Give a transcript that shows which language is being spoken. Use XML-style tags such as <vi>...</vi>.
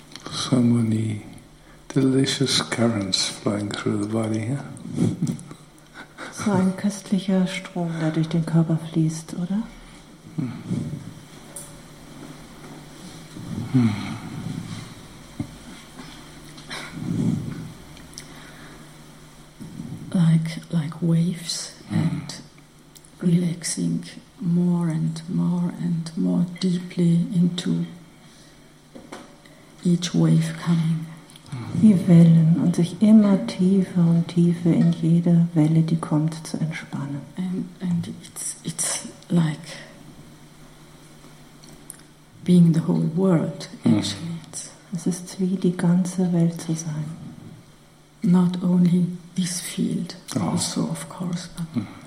<en>So many delicious currents flowing through the body. Yeah?</en> <de>So ein köstlicher Strom, der durch den Körper fließt, oder?</de> <en>Like waves and relaxing more and more and more deeply into each wave coming.</en> <de>Wie Wellen und sich immer tiefer und tiefer in jede Welle, die kommt, zu entspannen.</de> <en>And it's like being the whole world, actually.</en> <de>Es ist wie die ganze Welt zu sein.</de> <en>Not only this field, also of course, but</en>